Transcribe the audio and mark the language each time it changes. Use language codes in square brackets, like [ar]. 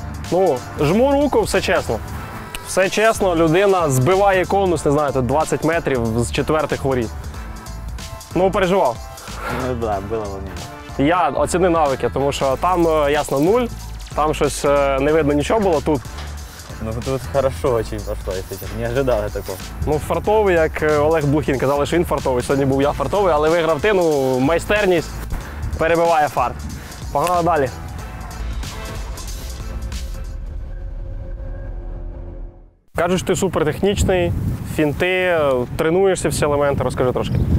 [uk] Ну, жму руку, все чесно. Все чесно, людина збиває конус, не знаю, 20 метрів з четвертих воріт. Ну, переживав. Ну, так, да, було воно. Я оціни навики, тому що там, ясно, нуль. Там щось не видно нічого було, тут. [ru] Ну, тут хорошо очень пошло, я хотів, не ожидав я такого. [uk] Ну, фартовий, як Олег Блухін, казали, що він фартовий. Сьогодні був я фартовий, але виграв ти, ну, майстерність перебиває фарт. Погнали далі. Кажуть, ти супертехнічний, фінти, тренуєшся всі елементи, розкажи трошки.